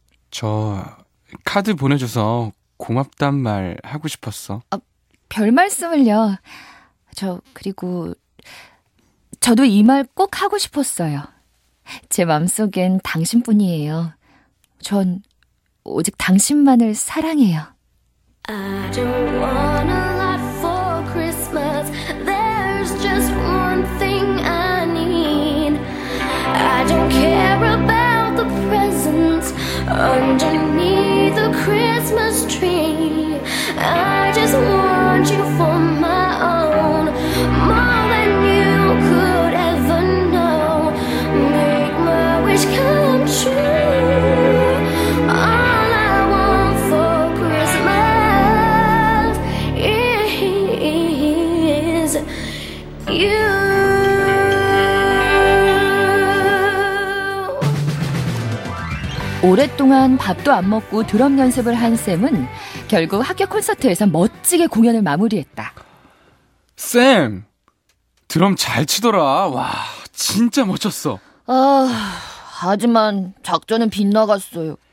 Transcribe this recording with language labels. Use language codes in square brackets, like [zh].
[ko] 저 카드 보내줘서 고맙단 말 하고 싶었어. 별 말씀을요. 저도 이 말 꼭 하고 싶었어요. 제 마음속엔 당신뿐이에요. 전 오직 당신만을 사랑해요. [en] I don't want a lot for Christmas. There's just one thing I need. I don't care about the presents underneath the Christmas tree. I just want you for my own. More than you could ever know. Make my wish come true. All I want for Christmas is you. [ko] 오랫동안 밥도 안 먹고 드럼 연습을 한 샘은 결국 학교 콘서트에서 멋지게 공연을 마무리했다. 샘! 드럼 잘 치더라. 와, 진짜 멋졌어. 하지만 작전은 빗나갔어요.